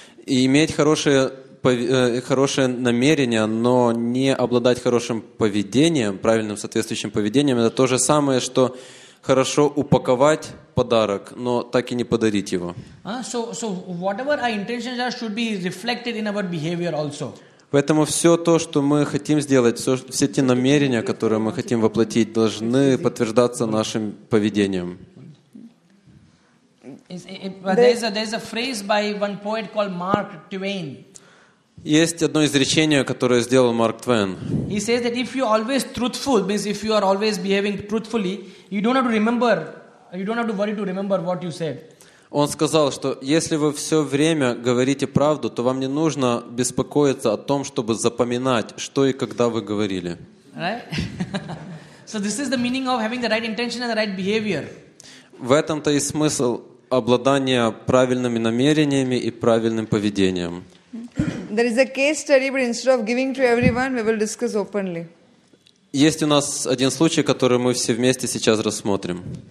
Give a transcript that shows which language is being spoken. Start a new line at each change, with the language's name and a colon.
Russian: И иметь хорошее намерение, но не обладать хорошим поведением, правильным соответствующим поведением, это то же самое, что хорошо упаковать подарок, но так и не подарить его.
English: So whatever our intentions are should be reflected in our behavior also.
Russian: Поэтому все то, что мы хотим сделать, все те намерения, которые мы хотим воплотить, должны подтверждаться нашим поведением.
English: There's a phrase by one poet called Mark Twain.
Russian: Есть одно изречение, которое сделал Марк Твен.
English: He says that if you always truthful, means if you are always behaving truthfully, you don't have to remember, you don't have to worry to remember what you said.
Russian: Он сказал, что если вы все время говорите правду, то вам не нужно беспокоиться о том, чтобы запоминать, что и когда вы говорили.
English: Right? So this is the meaning of having the right intention and the right behavior.
Russian: В этом-то и смысл обладания правильными намерениями и правильным поведением.
English: There is a case study, but instead of giving to everyone, we will discuss openly.
Russian: Есть у нас один случай, который мы все вместе сейчас рассмотрим.